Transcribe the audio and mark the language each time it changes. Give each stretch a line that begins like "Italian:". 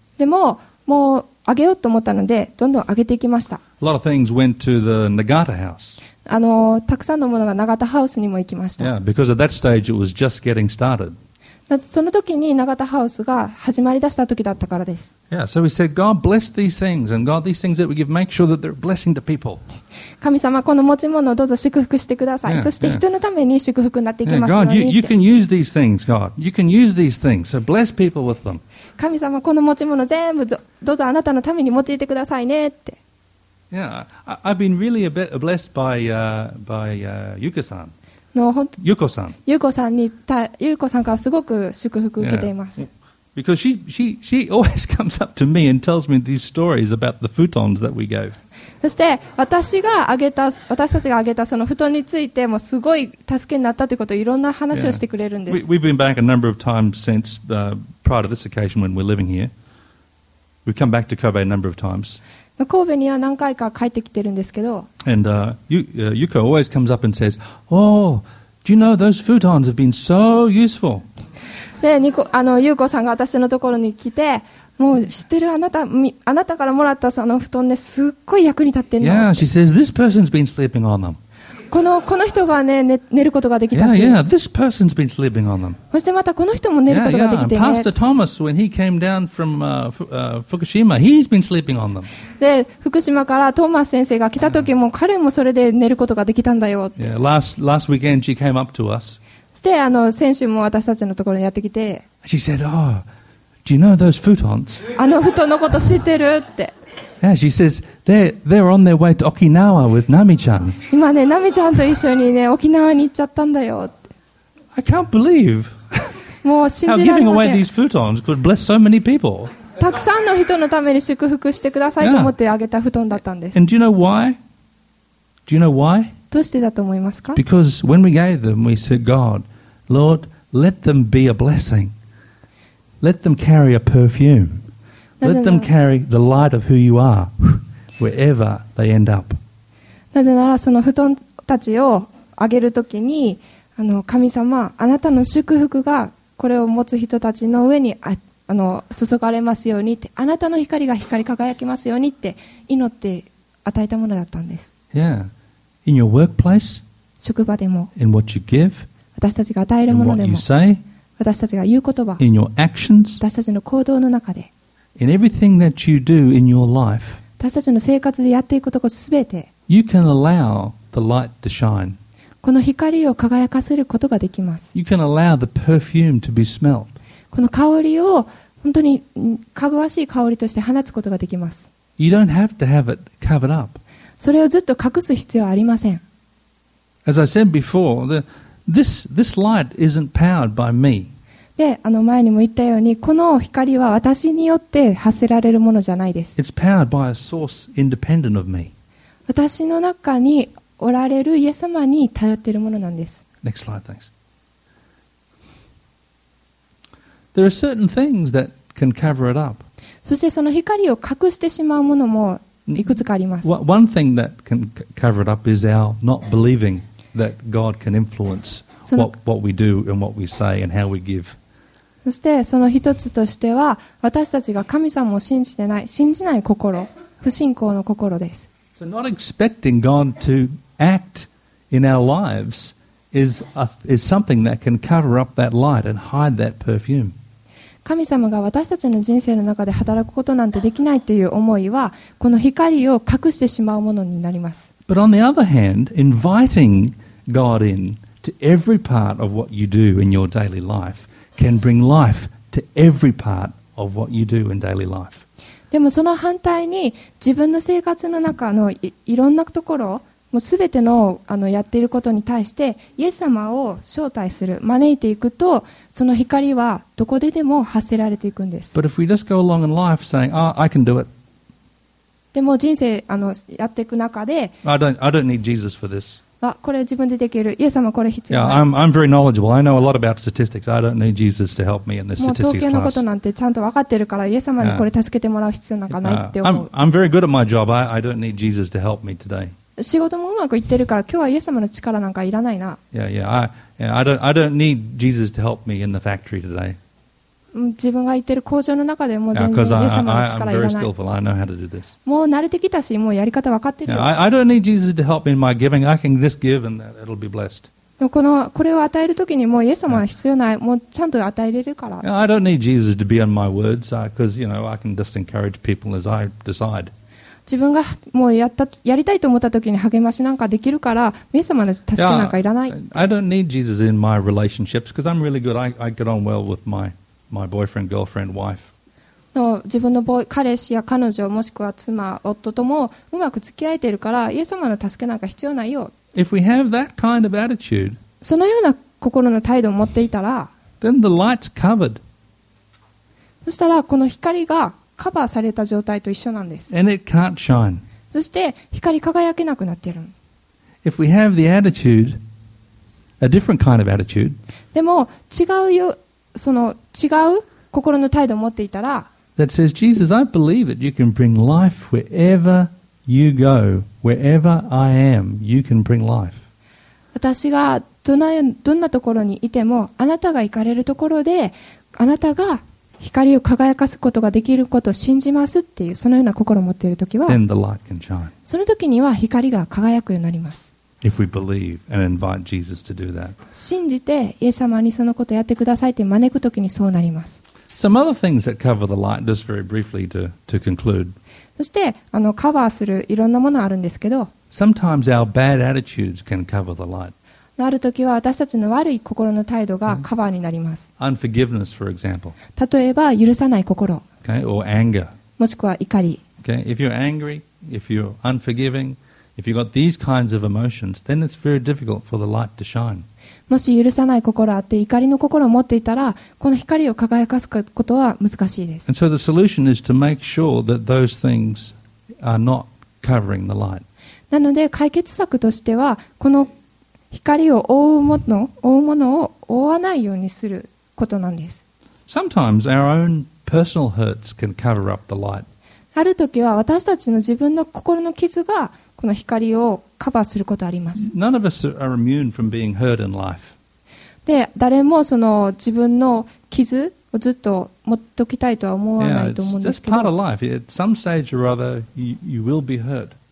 Japanese: でも、もうあげようと思ったので、どんどんあげていきました。
English: A lot of things went to the Nagata house.
Japanese: あの、たくさんのものが永田ハウスにも行きました。
English: Yeah, because at that stage it was just getting started.
Japanese: その時に永田ハウスが始まりだした時だったからです。
English: Yeah, so we said, God bless these things, and God, these things that we give, make sure that they're a blessing to people.
Japanese: 神様、この持ち物をどうぞ祝福してください。
English: Yeah,
Japanese: そして人のために祝福になっていきますように。
English: Yeah, God, you can use these things, God. You can use these things. So bless people with them.
Japanese: 神様、この持ち物全部どうぞあなたのために用いてくださいねって。
English: Yeah, I've been really a bit blessed by Yuka-san.
Japanese: の本ゆうこさん、ゆうこさんにた、ゆうこさんからすごく祝福受けています。
English: Yeah. Because she always comes up to me and tells me these stories about the futons that we gave.
Japanese: そして私があげた、私たちがあげたその布団についてもすごい助けになったということをいろんな話をしてくれるんです。
English: Yeah. We've been back a number of times since prior to this occasion when we're living here. We've come back to Kobe a number of times.
Japanese: 神戸には何回か帰ってきてるんですけど、
English: and Yuka always comes up and says, "Oh, do you know those futons have been so useful?"
Japanese: で、ゆうこさんが私のところに来て、もう知ってるあなたからもらったその布団ね、すっごい役に立ってるの。
English: Yeah, she says this person's been sleeping on them.
Japanese: この人がね、寝ることができたし。
English: Yeah, yeah, this person's been sleeping on them.
Japanese: そしてまたこの人も寝ることができてね。
English: Yeah, yeah. Pastor Thomas, when he came down from Fukushima, he's been sleeping on them.
Japanese: で、福島からトーマス先生が来た時も、彼もそれで寝ることができたんだよって。
English: Yeah, last weekend she came up to us.
Japanese: そして先週も私たちのところにやってきて。
English: She said, "Oh, do you know those futons?"
Japanese: あの布団のこと知ってるって。
English: Yeah, she says they're on their way to Okinawa with Nami-chan.
Japanese: 今ね、Nami-chanと一緒にね、沖縄に行っちゃったんだよって。
English: I can't believe.
Japanese: もう信じられません。
English: How giving away these futons could bless so many people.
Japanese: たくさんの人のために祝福してくださいと思ってあげた布団だったんです。
English: And do you know why? Do you know why?
Japanese: どうしてだと思いますか?
English: Because when we gave them, we said, God, Lord, let them be a blessing. Let them carry a perfume. Let them carry the light of who you are, wherever they end up.
Japanese: なぜならその布団たちをあげるときに、神様、あなたの祝福がこれを持つ人たちの上に注がれますようにって、あなたの光が光り輝きますようにって祈って与えたものだったんです。
English: Yeah. In your workplace,
Japanese: 職場でも、
English: in what you give,
Japanese: 私たちが与えるものでも、
English: in what you say,
Japanese: 私たちが言う言葉、
English: in your actions,
Japanese: 私たちの行動の中で、
English: in everything that you do in your life,
Japanese: 私たちの生活でやっていくことがすべて、
English: you can allow the light to shine.
Japanese: この光を輝かせることができます。
English: You can allow the perfume to be smelled.
Japanese: この香りを本当にかぐわしい香りとして放つことができます。
English: You don't have to have it covered up.
Japanese: それをずっと隠す必要はありません。
English: As I said before, this light isn't powered by me.
Japanese: で、前にも言ったように、この光は私によって発せられるものじゃないです。
English: It's powered by a source independent of me.
Japanese: 私の中におられるイエス様に頼っているものなんです。
English: Next slide, thanks. There are certain things that can cover it up.
Japanese: そしてその光を隠してしまうものもいくつかあります。
English: One thing that can cover it up is our not believing that God can influence what we do and what we say and how we give.
Japanese: そしてその一つとしては私たちが神様を信じてない、信じない心、不信仰の心です。
English: So not expecting God toact in our lives is something that can cover up that light and hide that perfume.
Japanese: 神様が私たちの人生の中で働くことなんてできないという思いはこの光を隠してしまうものになります。
English: But on the other hand, inviting God in to every part of what you do in your daily life can bring life to every part of what you do in daily life.
Japanese: でもその反対に自分の生活の中の いろんなところもうすべて のやっていることに対してイエス様を招待する招いていくとその光はどこででも発せられていくんです。
English: But if we just go along in life saying, "Ah,、oh, I can do it."
Japanese: でも人生やっていく中で、
English: I don't need Jesus for this.
Japanese: あ、これ自分でできる。イエス様これ必要ない。
English: Yeah, I'm very knowledgeable. I know a lot about statistics. I don't need Jesus to help me in this statistics class.
Japanese: もう統計のことなんてちゃんと分かってるからイエス様にこれ助けてもらう必要なんかないって思う。
English: I'm very good at my job. I don't need Jesus to help me today.
Japanese: 仕事もうまくいってるから今日はイエス様の力なんかいらないな。
English: I don't need Jesus to help me in the factory today.
Japanese: 自分が行ってる工場の中でもう全然イエス様の力いらない。
English: I'm very skillful. I know how to do this.
Japanese: もう慣れてきたしもうやり方分かってるよ。
English: I don't need Jesus to help me in my giving. I can just give and it'll be blessed.
Japanese: これを与えるときにもうイエス様は必要ない。もうちゃんと与えれるから。
English: I don't need Jesus to be in my words because I can just encourage people as I decide.
Japanese: 自分がもう やりたいと思った時に励ましなんかできるから、イエス様の助けなんかいらない。
English: I don't need Jesus in my relationships because I'm really good. I get on well with my boyfriend, girlfriend, wife.
Japanese: 自分の彼氏や彼女もしくは妻、夫ともうまく付き合えているから、イエス様の助けなんか必要ないよ。
English: If we have that kind of attitude,
Japanese: そのような心の態度を持っていたら、
English: then the light's covered.
Japanese: そしたらこの光がカバーされた状態と一緒なんです。
English: And it can't shine.
Japanese: そして光り輝けなくなっている。
English: If we have the attitude, a different kind of attitude,
Japanese: でも違うよ、その違う心の態度を持っていたら、
English: that says, Jesus, I believe it. You can bring life wherever you go, wherever I am. You can bring life.
Japanese: 私がどんなところにいても、あなたが行かれるところで、あなたが光を輝かすことができることを信じますっていうそのような心を持っているときは、
English: Then the light can shine.
Japanese: その時には光が輝くようになります。
English: If we believe and invite Jesus to do that.
Japanese: 信じてイエス様にそのことをやってくださいって招くときにそうなります。
English: Some other things that cover the light, just very briefly to conclude.
Japanese: そしてカバーするいろんなものあるんですけど、
English: Sometimes our bad attitudes can cover the light.
Japanese: なるときは私たちの悪い心の態度がカバーになります。
English: Unforgiveness, for example.
Japanese: 例えば許さない心。
English: Okay, or anger.
Japanese: もしくは怒り。
English: Okay, if you're angry, if you're unforgiving, if you've got these kinds of emotions, then it's very difficult for the light to shine.
Japanese: もし許さない心あって怒りの心を持っていたら、この光を輝かすことは難しいです。
English: And so the solution is to make sure that those things are not covering the light.
Japanese: なので解決策としては、この光を覆うものを覆わないようにすることなんです。
English: Sometimes our own personal hurts can cover up the light.
Japanese: ある時は私たちの自分の心の傷がこの光をカバーすることあります。
English: None of us are immune from being hurt in life.
Japanese: で、誰もその自分の傷をずっと持っておきたいとは思わないと思うんですけど。
English: Yeah, it's just part of life. At some stage or other, you will be hurt.